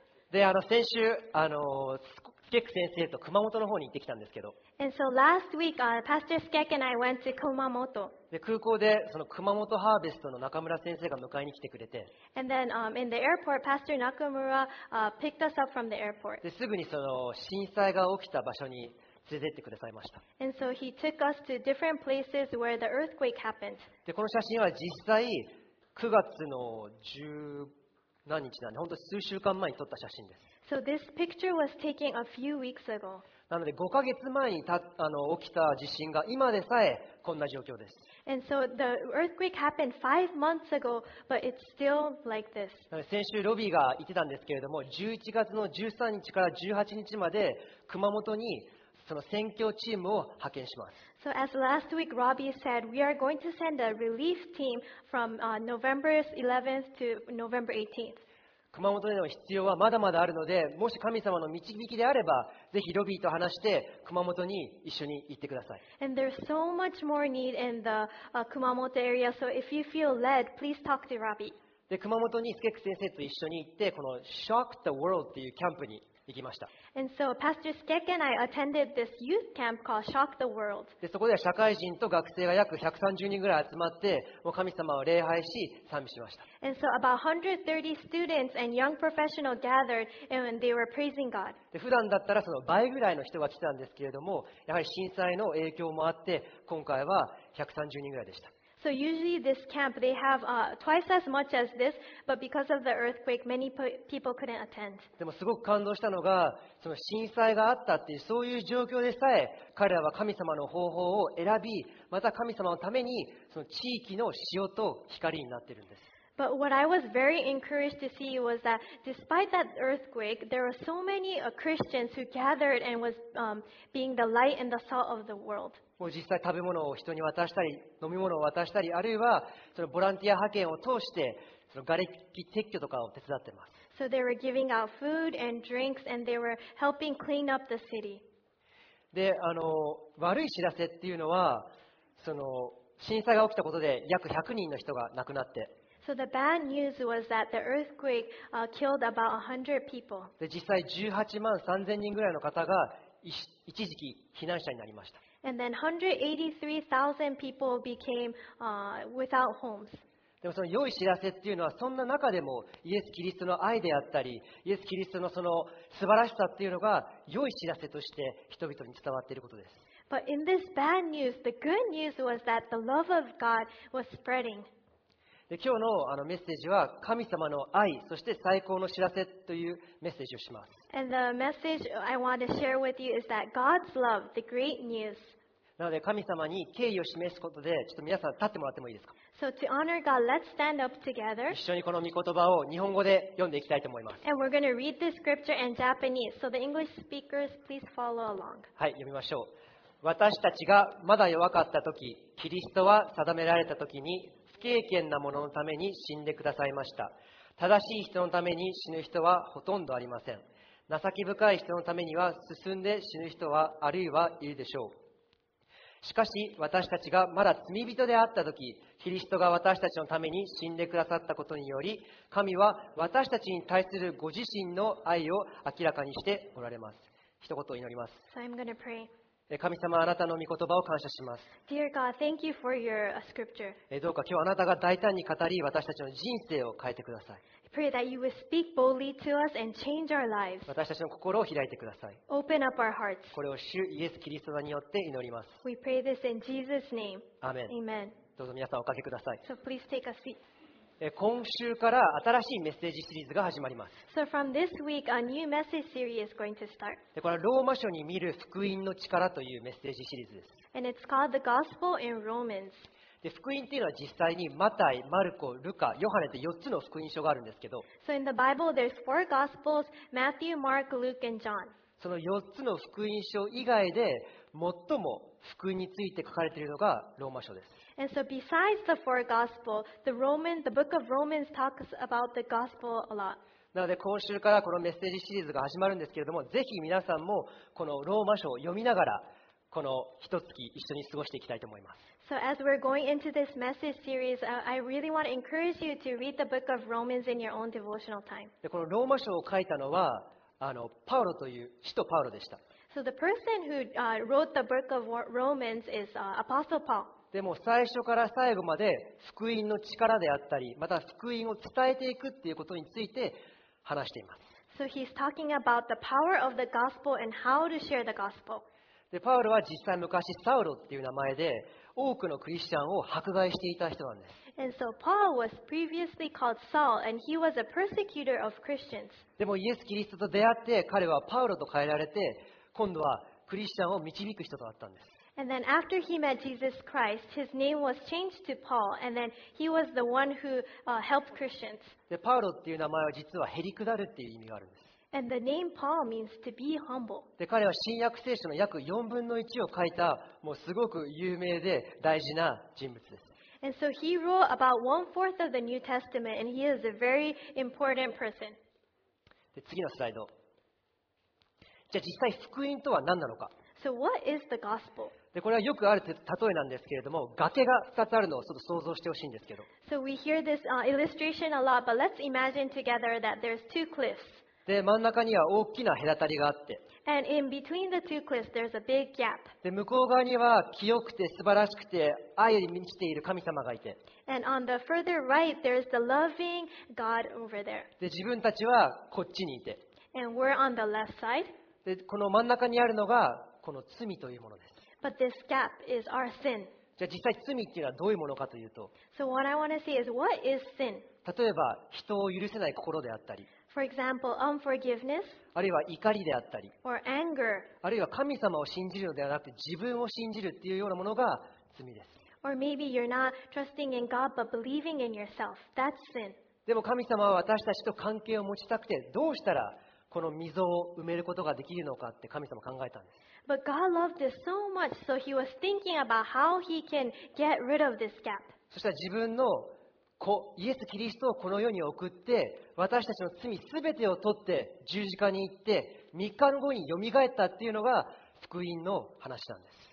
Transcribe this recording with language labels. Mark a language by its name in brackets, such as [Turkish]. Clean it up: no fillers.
[Japanese] で、先週スケック先生と熊本の方に行ってきたんですけど。 [English] And so last week, Pastor Skek and I went to Kumamoto. [Japanese] で、空港でその熊本ハーベストの中村先生が迎えに来てくれて。 [English] And then, in the airport, Pastor Nakamura, picked us up from the airport. [Japanese] で、すぐにその震災が起きた場所に連れてってくださいました。 [English] And so he took us to different places where the earthquake happened. [Japanese] で、この写真は実際9月の10何日なんで、本当数週間前に撮った写真です。 [English] So this picture was taken a few weeks ago. [Japanese] なので5ヶ月前に起きた地震が今でさえこんな状況です。 [English] And so the earthquake happened five months ago, but it's still like this. [Japanese] 先週ロビーが言ってたんですけれども、11月の13日から18日まで熊本にその選挙チームを派遣します。 [English] So as last week Robbie said, we are going to send a relief team from November 11th to November 18th. [Japanese] 熊本での必要はまだまだあるので、もし神様の導きであれば、ぜひロビーと話して熊本に一緒に行ってください。 [English] And there's so much more need in the Kumamoto area, so if you feel led, please talk to Robbie. [Japanese] で、熊本にスケック先生と一緒に行って、この Shock the World っていうキャンプに行きました。 [English] And so Pastor Skek and I attended this youth camp called Shock the World. [Japanese] で、そこでは社会人と学生が約130人ぐらい集まって、もう神様を礼拝し、賛美しました。 [English] And so about 130 students and young professionals gathered and they were praising God. [Japanese] で、普段だったらその倍ぐらいの人が来たんですけれども、やはり震災の影響もあって、今回は130人ぐらいでした。 [English] So usually this camp they have twice as much as this, but because of the earthquake, many people couldn't attend. [Japanese] でもすごく感動したのが、その震災があったっていうそういう状況でさえ、彼らは神様の方法を選び、また神様のためにその地域の塩と光になっているんです。 [English] But what I was very encouraged to see was that despite that earthquake, there were so many Christians who gathered and was being the light and the salt of the world. [Japanese] もう実際食べ物を人に渡したり、飲み物を渡したり、あるいはそのボランティア派遣を通して、そのがれき撤去とかを手伝ってます。 [English] So they were giving out food and drinks and they were helping clean up the city. [Japanese] で、悪い知らせっていうのは、その震災が起きたことで約100人の人が亡くなって、 [English] So the bad news was that the earthquake killed about 100 people. [Japanese] で、実際18万3000人ぐらいの方が一時期避難者になりました。 [English] And then 183,000 people became without homes. [Japanese] でもその良い知らせっていうのは、そんな中でもイエス・キリストの愛であったり、イエス・キリストのその素晴らしさっていうのが良い知らせとして人々に伝わっていることです。 [English] But in this bad news, the good news was that the love of God was spreading. [Japanese] で今日 のメッセージは神様の愛そして最高の知らせというメッセージをします。 [English] And the message I want to share with you is that God's love, the great news. [Japanese] なので神様に敬意を示すことでちょっと皆さん立ってもらってもいいですか。 [English] So to honor God, let's stand up together. [Japanese] 一緒にこの御言葉を日本語で読んでいきたいと思います。 [English] And we're going to read this scripture in Japanese. So the English speakers, please follow along. [Japanese] はい、読みましょう。私たちがまだ弱かった時、キリストは定められた時に不敬虔な者のために死んでくださいました。正しい人のために死ぬ人はほとんどありません。情け深い人のためには進んで死ぬ人はあるいはいるでしょう。しかし私たちがまだ罪人であった時、キリストが私たちのために死んでくださったことにより、神は私たちに対するご自身の愛を明らかにしておられます。一言を祈ります。 [English] So I'm gonna pray. [Japanese] 神様、あなたの御言葉を感謝します。 [English] Dear God, thank you for your scripture. [Japanese] どうか今日あなたが大胆に語り、私たちの人生を変えてください。 [English] Pray that you will speak boldly to us and change our lives. [Japanese] 私たちの心を開いてください。 [English] Open up our hearts. [Japanese] これを主イエス・キリストによって祈ります。 [English] We pray this in Jesus' name. Amen. Amen. [Japanese] どうぞ皆さんおかけください。 [English] So please take a seat. [Japanese] 今週から新しいメッセージシリーズが始まります。 [English] So from this week, a new message series is going to start. [Japanese] で、これはローマ書に見る福音の力というメッセージシリーズです。 [English] And it's called the Gospel in Romans. [Japanese] で、福音っていうのは実際にマタイ、マルコ、ルカ、ヨハネって4つの福音書があるんですけど。 [English] So in the Bible, there's four Gospels: Matthew, Mark, Luke, and John. [Japanese] その4つの福音書以外で最も福音について書かれているのがローマ書です。 [English] And so besides the four gospels, the book of Romans talks about the gospel a lot. [Japanese] なので今週からこのメッセージシリーズが始まるんですけれども、ぜひ皆さんもこのローマ書を読みながらこの一月一緒に過ごしていきたいと思います。 [English] So as we're going into this message series, I really want to encourage you to read the book of Romans in your own devotional time. [Japanese] で、このローマ書を書いたのはパウロという使徒パウロでした。 [English] So the person who wrote the book of Romans is Apostle Paul. [Japanese] でも最初から最後まで福音の力であったり、また福音を伝えていくっていうことについて話しています。 [English] So he's talking about the power of the gospel and how to share the gospel. [Japanese] で、パウロは実際昔サウロっていう名前で多くのクリスチャンを迫害していた人なんです。 [English] And so Paul was previously called Saul, and he was a persecutor of Christians. [Japanese] でもイエス・キリストと出会って彼はパウロと変えられて、今度はクリスチャンを導く人となったんです。 [English] And then after he met Jesus Christ, his name was changed to Paul, and then he was the one who helped Christians. [Japanese] で、パウロっていう名前は実はへりくだるっていう意味があるんです。 [English] And the name Paul means to be humble. [Japanese] で、彼は新約聖書の約4分の1を書いた、もうすごく有名で大事な人物です。 [English] And so he wrote about one-fourth of the New Testament, and he is a very important person. [Japanese] で、次のスライド。じゃあ実際福音とは何なのか。 [English] So what is the gospel? [Japanese] で、これはよくある例えなんですけれども、崖が2つあるのをちょっと想像してほしいんですけど。 [English] So we hear this illustration a lot, but let's imagine together that there's two cliffs. [Japanese] で、真ん中には大きな隔たりがあって。 [English] And in between the two cliffs, there's a big gap. [Japanese] で、向こう側には清くて素晴らしくて愛に満ちている神様がいて。 [English] And on the further right, there's the loving God over there. [Japanese] で、自分たちはこっちにいて。 [English] And we're on the left side. [Japanese] で、この真ん中にあるのがこの罪というものです。 [English] But this gap is our sin. [Japanese] じゃあ実際罪っていうのはどういうものかというと。 [English] So what I want to see is what is sin? [Japanese] 例えば人を許せない心であったり。 [English] For example, unforgiveness, [Japanese] あるいは怒りであったり [English] or anger, [Japanese] あるいは神様を信じるのではなくて自分を信じるというようなものが罪です。 [English] Or maybe you're not trusting in God but believing in yourself. That's sin. [Japanese] でも神様は私たちと関係を持ちたくてどうしたらこの溝を埋めることができるのかって神様考えたんです。 [English] But God loved us so much, so he was thinking about how he can get rid of this gap. [Japanese] そしたら自分のイエス・キリストをこの世に送って私たちの罪すべてを取って十字架に行って3日後によみがえったっていうのが福音の話なんです。